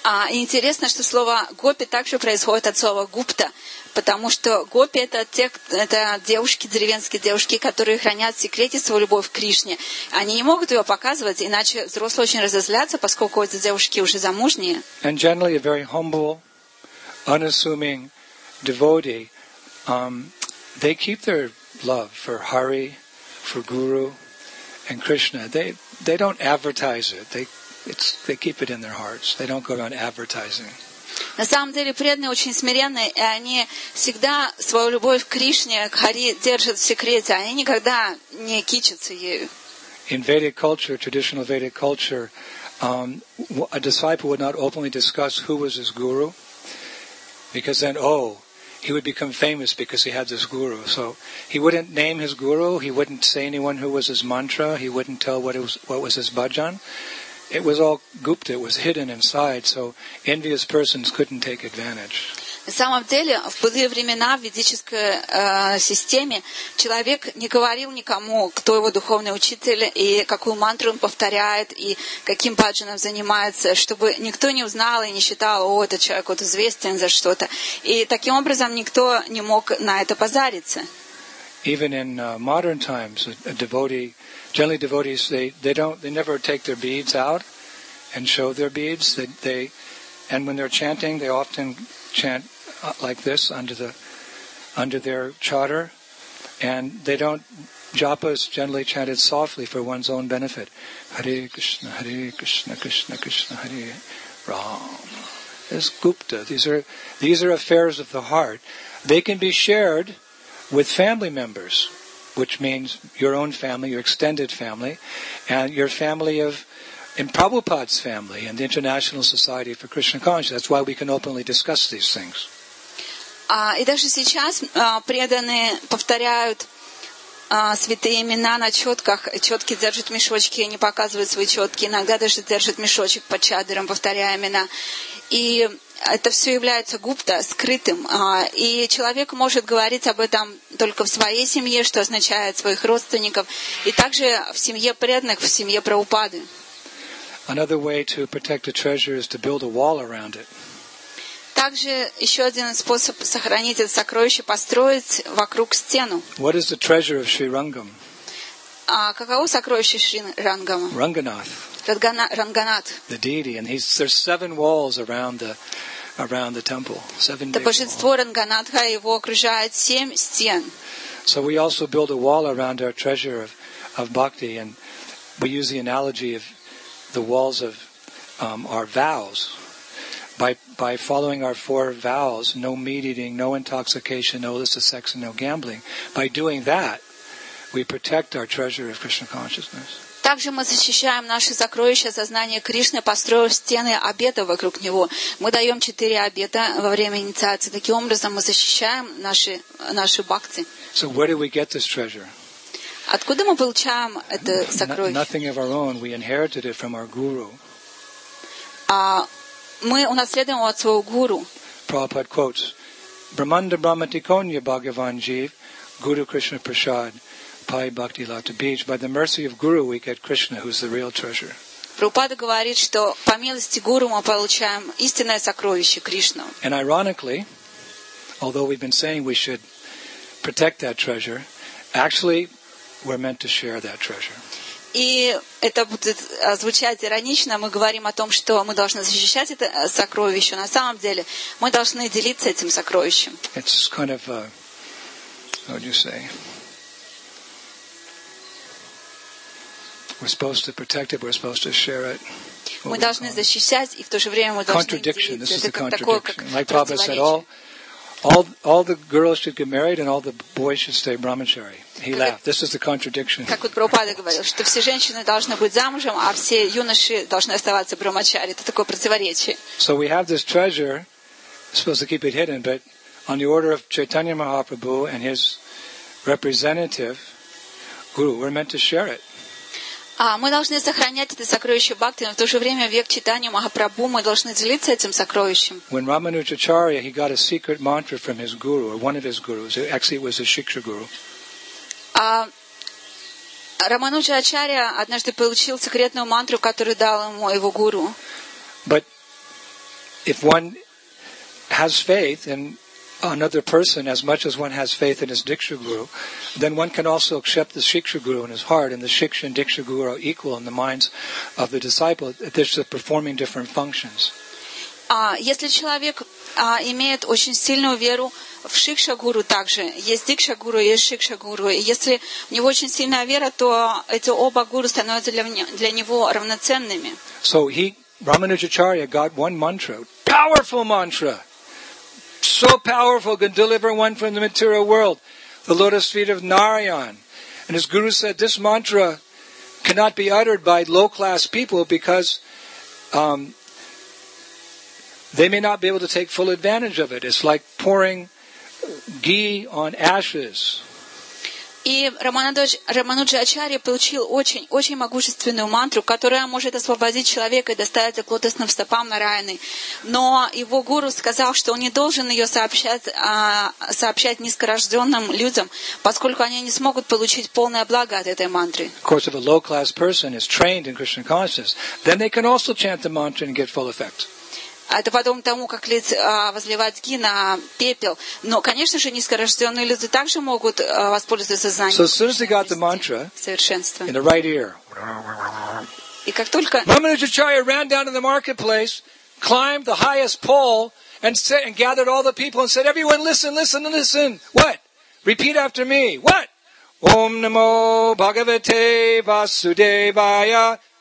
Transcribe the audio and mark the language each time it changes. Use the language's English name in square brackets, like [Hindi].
[Russian] Интересно, что слово гопи также происходит от слова гупта, потому что гопи – это девушки, деревенские девушки, которые хранят в секрете свою любовь к Кришне. Они не могут ее показывать, иначе взрослые очень разозлятся, поскольку эти девушки уже замужние. [English] And generally a very humble, unassuming devotee, they keep their love for Hari, for Guru, and Krishna. They don't advertise it. They keep it in their hearts. They don't go around advertising. [Russian] На самом деле преданные очень смиренные, и они всегда свою любовь к Кришне, к Хари держат в секрете. Они никогда не кичатся ею. [English] in Vedic culture, traditional Vedic culture, a disciple would not openly discuss who was his guru, because then, oh, he would become famous because he had this guru. So he wouldn't name his guru, he wouldn't say anyone who was his mantra, he wouldn't tell what was his bhajan. It was all gupta, it was hidden inside, so envious persons couldn't take advantage. [Russian] На самом деле, в былые времена в ведической системе человек не говорил никому, кто его духовный учитель, и какую мантру он повторяет, и каким баджаном занимается, чтобы никто не узнал и не считал, о, этот человек вот известен за что-то. И таким образом никто не мог на это позариться. [English] Even in modern times, a devotee, generally devotees, they never take their beads out and show their beads. And when they're chanting, they often chant like this under their charter, and they don't. Japa is generally chanted softly for one's own benefit. Hare Krishna, Hare Krishna, Krishna Krishna, Hare Ram. It's gupta. These are affairs of the heart. They can be shared with family members, which means your own family, your extended family, and your family of. In Prabhupada's family and the International Society for Krishna Consciousness, that's why we can openly discuss these things. [Russian] И даже сейчас преданные повторяют святые имена на четках. Четки держат мешочки, они показывают свои четки. Иногда даже держат мешочек под чадером, повторяя имена. И это все является гупта, скрытым. И человек может говорить об этом только в своей семье, что означает своих родственников, и также в семье преданных, в семье Прабхупады. [English] Another way to protect a treasure is to build a wall around it. [Russian] Также еще один способ сохранить это сокровище — построить вокруг стену. [English] What is the treasure of Sri Rangam? [Russian] А каково сокровище Шри Рангама? Ранганат. Ранганат. [English] The deity, and there's seven walls around the temple. Seven. [Russian] Это божество Ранганатха, его окружает семь стен. [English] So we also build a wall around our treasure of bhakti, and we use the analogy of the walls of our vows. By following our four vows, no meat eating, no intoxication, no illicit sex, and no gambling, by doing that, we protect our treasure of Krishna consciousness. [Russian] Также мы защищаем наши сокровища сознания Кришны, построив стены обета вокруг него. Мы даем четыре обета во время инициации. Таким образом мы защищаем наши бхакти. [English] So where do we get this treasure? [Russian] Откуда мы получаем это сокровище? [English] Nothing of our own. We inherited it from our guru. [Russian] Мы унаследуем от своего гуру. [English] Prabhupada quotes, [Sanskrit] Brahmanda Brahmatikonya Bhagavan Jeev, Guru Krishna Prashad, Pai Bhakti Lata Beach. [English] By the mercy of guru, we get Krishna, who is the real treasure. [Russian] Прабхупада говорит, что по милости гуру мы получаем истинное сокровище Кришну. [English] And ironically, although we've been saying we should protect that treasure, actually, we're meant to share that treasure. [Russian] И это будет звучать иронично. Мы говорим о том, что мы должны защищать это сокровище. На самом деле, мы должны делиться этим сокровищем. [English] It's kind of, how do you say? We're supposed to protect it. We're supposed to share it. [Russian] Мы должны защищать и в то же время мы должны делиться. [English] This is the contradiction. Like Prabhupada said, all the girls should get married and all the boys should stay brahmachari. He laughed. This is the contradiction. [Russian] Как вот Прабхупада говорил, что все женщины должны быть замужем, а все юноши должны оставаться брахмачари. Это такое противоречие. [English] So we have this treasure, supposed to keep it hidden, but on the order of Chaitanya Mahaprabhu and his representative guru, we're meant to share it. [Russian] Мы должны сохранять это сокровище бхакти, но в то же время век Чайтанья Махапрабху мы должны делиться этим сокровищем. [English] When Ramanujacharya, he got a secret mantra from his guru, or one of his gurus, actually it was a shiksha guru. [Russian] Рамануджа Ачарья однажды получил секретную мантру, которую дал ему его гуру. [English] But if one has faith in another person as much as one has faith in his Diksha guru, then one can also accept the Shiksha guru in his heart, and the Shiksha and Diksha guru are equal in the minds of the disciple. They're just performing different functions. [Russian] Если человек имеет очень сильную веру в Шикша Гуру, также есть Дикша Гуру, есть Шикша Гуру. И если у него очень сильная вера, то эти оба гуру становятся для него равноценными. [English] So he, Ramanujacharya, got one mantra, powerful mantra, so powerful can deliver one from the material world, the lotus feet of Narayan. And his guru said, this mantra cannot be uttered by low-class people because they may not be able to take full advantage of it. It's like pouring ghee on ashes. [Russian] И Рамануджа Ачарья получил очень могущественную мантру, которая может освободить человека и доставить его к лотосным стопам Нараяны. Но его гуру сказал, что он не должен ее сообщать низкорожденным людям, поскольку они не смогут получить полное благо от этой мантры. [English] Of course, if a low-class person is trained in Krishna consciousness, then they can also chant the mantra and get full effect. [Russian] Это подобно тому, как возливать ги на пепел. Но, конечно же, низкорожденные люди также могут воспользоваться знанием. [English] So as soon as they got the mantra in the right ear. [Russian] И как только... [English] Рамануджачарья ran down to the marketplace, climbed the highest pole, and gathered all the people and said, everyone, listen. What? Repeat after me. What? [Sanskrit] Ом намо бхагавате васудевая.